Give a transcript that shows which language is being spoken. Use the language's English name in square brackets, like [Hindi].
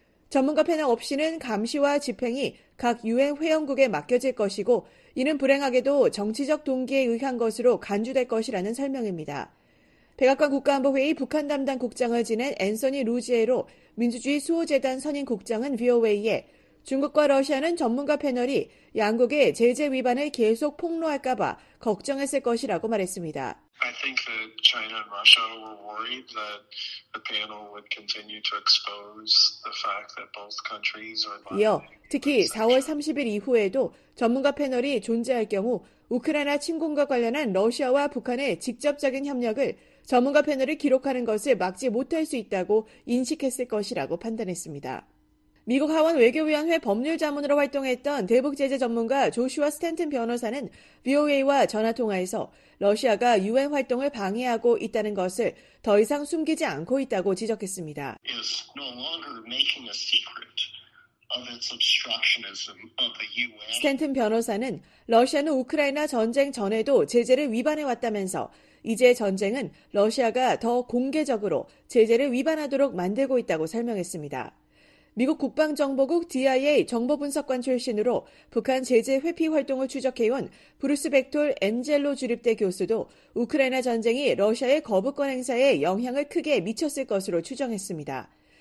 [Korean] 전문가 패널 없이는 감시와 집행이 각 유엔 회원국에 맡겨질 것이고 이는 불행하게도 정치적 동기에 의한 것으로 간주될 것이라는 설명입니다. 백악관 국가안보회의 북한 담당 국장을 지낸 앤서니 루지에로 민주주의 수호재단 선임 국장은 VOA에 중국과 러시아는 전문가 패널이 양국의 제재 위반을 계속 폭로할까 봐 걱정했을 것이라고 말했습니다. [English] I think that China and Russia were worried that the panel would continue to expose the fact that both countries are. [Korean] 이어 특히 4월 30일 이후에도 전문가 패널이 존재할 경우 우크라이나 침공과 관련한 러시아와 북한의 직접적인 협력을 전문가 패널이 기록하는 것을 막지 못할 수 있다고 인식했을 것이라고 판단했습니다. 미국 하원 외교위원회 법률자문으로 활동했던 대북제재 전문가 조슈아 스탠튼 변호사는 VOA와 전화통화에서 러시아가 유엔 활동을 방해하고 있다는 것을 더 이상 숨기지 않고 있다고 지적했습니다. [English] It's no longer making a secret of its obstructionism of the UN. [Korean] 스탠튼 변호사는 러시아는 우크라이나 전쟁 전에도 제재를 위반해왔다면서 이제 전쟁은 러시아가 더 공개적으로 제재를 위반하도록 만들고 있다고 설명했습니다. 미국 국방정보국 DIA 정보분석관 출신으로 북한 제재 회피 활동을 추적해온 브루스 벡톨 엔젤로 주립대 교수도 우크라이나 전쟁이 러시아의 거부권 행사에 영향을 크게 미쳤을 것으로 추정했습니다.